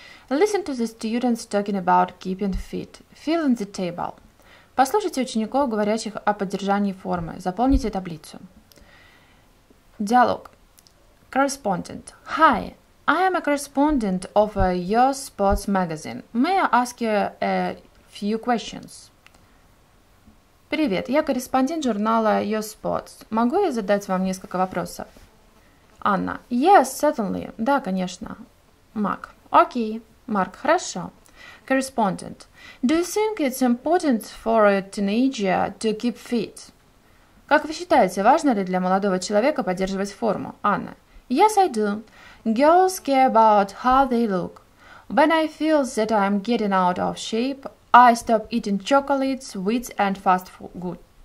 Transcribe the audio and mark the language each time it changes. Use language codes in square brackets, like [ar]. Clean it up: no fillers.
[en] Listen to the students talking about keeping fit. Fill in the table. [ru] Послушайте учеников, говорящих о поддержании формы. Заполните таблицу. Диалог. Correspondent. [en] Hi, I am a correspondent of your sports magazine. May I ask you a few questions? [ru] Привет, я корреспондент журнала Your Sports. Могу я задать вам несколько вопросов? Анна. [en] Yes, certainly. [ru] Да, конечно. Марк. Окей. Марк, хорошо. Correspondent. [en] Do you think it's important for a teenager to keep fit? [ru] Как вы считаете, важно ли для молодого человека поддерживать форму? [en] Анна. Yes, I do. Girls care about how they look. When I feel that I'm getting out of shape, I stop eating chocolates, sweets and fast food.